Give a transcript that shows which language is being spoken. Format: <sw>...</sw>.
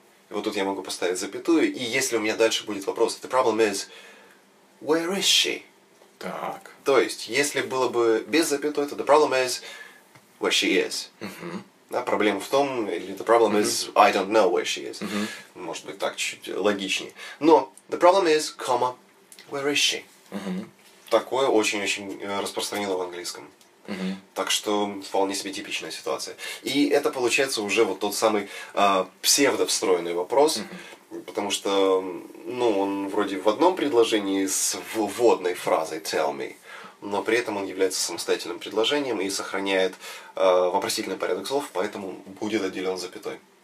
<ru>И вот тут я могу поставить запятую, и если у меня дальше будет вопрос,</ru> <en>the problem is, where is she?</en> <ru>Так. То есть, если было бы без запятой, то</ru> <en>the problem is, where she is.</en> <ru>Да, проблема в том, или</ru> <en>the problem is, I don't know where she is.</en> <ru>Может быть, так чуть логичнее.</ru> <en>Но the problem is, comma, where is she?</en> <ru>Такое очень-очень распространено в английском. Так что вполне себе типичная ситуация. И это получается уже вот тот самый псевдо-встроенный вопрос, потому что, ну, он вроде в одном предложении с вводной фразой</ru> <en>tell me,</en> <ru>но при этом он является самостоятельным предложением и сохраняет вопросительный порядок слов, поэтому будет отделен запятой.</ru>